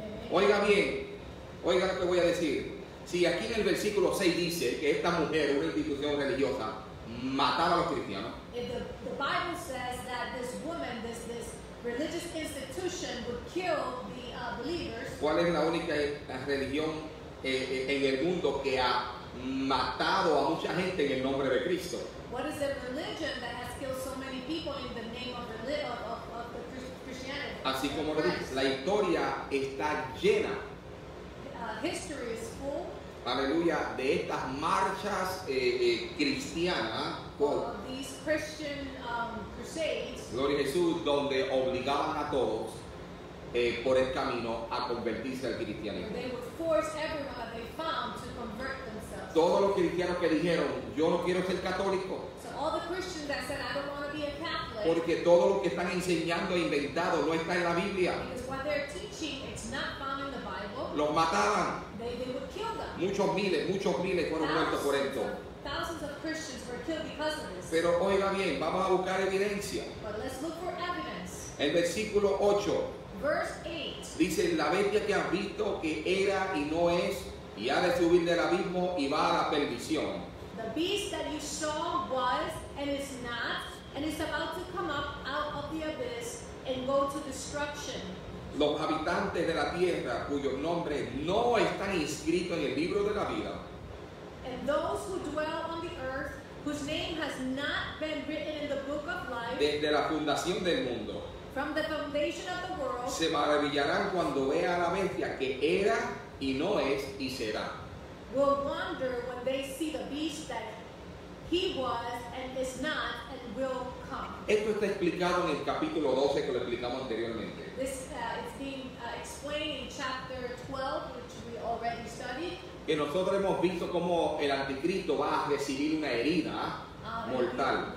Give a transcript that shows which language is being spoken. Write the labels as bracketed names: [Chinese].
[Spanish] Oiga bien, oiga lo que voy a decir. Si aquí en el versículo 6 dice que esta mujer, una institución religiosa, mataba a los cristianos. [English] If the Bible says that this woman, this religious institution would kill the believers. [Spanish] ¿Cuál es la única religión en el mundo que ha matado a mucha gente en el nombre de Cristo? [English] What is the religion that has killed so many people in the name of the Christianity? [Spanish] Así como lo dice, la historia está llena. [English] History is full. [Spanish] Aleluya, de estas marchas cristianas. [English] These Christian crusades. [Spanish] Gloria a Jesús, donde obligaban a todos por el camino a convertirse al cristianismo. [English] They would force everyone that they found to convert themselves. [Spanish] Todos los cristianos que dijeron, yo no quiero ser católico. [English] So all the Christians that said, I don't want to be a Catholic. [Spanish] Porque todo lo que están enseñando e inventado no está en la Biblia. [English] Because what they're teaching, it's not found in the Bible. [Spanish] Los mataban. [English] They would kill them. [Spanish] Muchos miles fueron muertos por esto. [English] Thousands of Christians were killed because of this. [Spanish] Pero oiga bien, vamos a buscar evidencia. [English] But let's look for evidence. [Spanish] El versículo 8. [English] Verse 8. [Spanish] Dice, la bestia que has visto que era y no es, y ha de subir del abismo y va a la perdición. [English] The beast that you saw was and is not, and is about to come up out of the abyss and go to destruction. [Spanish] Los habitantes de la tierra cuyos nombres no están inscritos en el libro de la vida. [English] And those who dwell on the earth, whose name has not been written in the book of life, [Spanish] desde la fundación del mundo, [English] from the foundation of the world, [Spanish] se maravillarán cuando vea la bestia que era y no es y será. [English] Will wonder when they see the beast that he was and is not and will come. [Spanish] Esto está explicado en el capítulo 12 que lo explicamos anteriormente. [English] This is being explained in chapter 12, which we already studied. [Spanish] Que nosotros hemos visto cómo el anticristo va a recibir una herida mortal.